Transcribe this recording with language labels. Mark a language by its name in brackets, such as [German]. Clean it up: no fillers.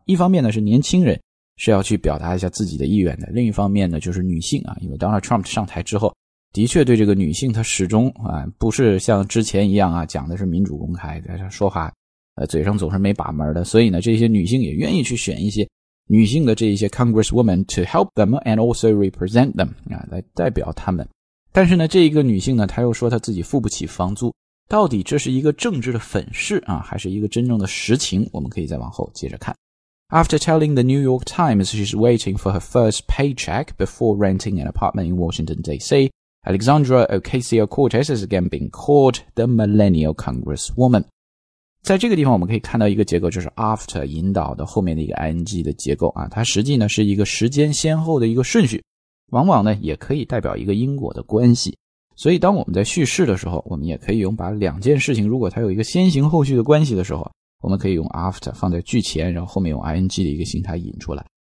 [Chinese] 一方面呢是年轻人是要去表达一下自己的意愿的，另一方面呢就是女性啊，因为 Donald Trump 上台之后的确对这个女性她始终啊不是像之前一样啊讲的是民主公开的说话嘴上总是没把门的，所以呢这些女性也愿意去选一些女性的这一些 [English] congresswoman to help them and also represent them [Chinese] 啊，来代表他们。但是呢这一个女性呢她又说她自己付不起房租，到底这是一个政治的粉饰啊，还是一个真正的实情，我们可以再往后接着看。 [English] After telling the New York Times she's waiting for her first paycheck before renting an apartment in Washington D.C., Alexandra Ocasio-Cortez has again been called the millennial congresswoman. [Chinese] 在这个地方我们可以看到一个结构，就是 after 引导的后面的一个 ing 的结构啊，它实际呢是一个时间先后的一个顺序，往往呢也可以代表一个因果的关系。所以当我们在叙事的时候，我们也可以用把两件事情如果它有一个先行后续的关系的时候，我们可以用 after 放在句前，然后后面用 ing 的一个形态引出来。